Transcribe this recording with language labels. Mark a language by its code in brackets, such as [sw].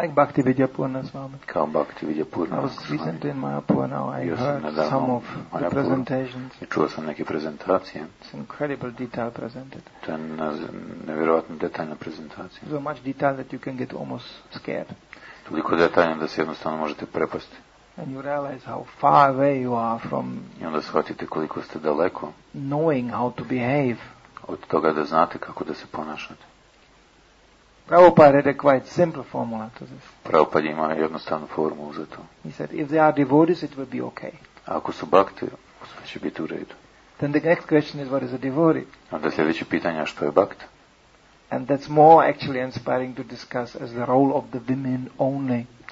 [en] Like Bhakti Vidyapurna Swami. [hr] Kao Bhakti Vidyapurna [en] Swami. I was recently in Mayapur now. I heard some of the presentations. [hr] I čuo sam neke prezentacije. [en] It's incredible detail presented. [hr] To je nevjerojatno detaljna prezentacija. [en] So much detail that you can get almost scared. [hr] Toliko detaljno da se jednostavno možete prepasti. [en] And you realize how far away you are from. [hr] I onda shvatite koliko ste daleko. [en] Knowing how to behave. [hr] Od toga da znate kako da se ponašate. [en] Prabhupada had a quite simple formula to this. [hr] Prabhupada ima jednostavnu formulu za to. [en] He said, if they are devotees, it will be okay. [hr] Ako su bhakti, sve će biti u redu. [en] Then the next question is, what is a devotee? [hr] Onda sljedeće pitanje, što je bhakt? [en] And that's more actually inspiring to discuss as the role of the women only.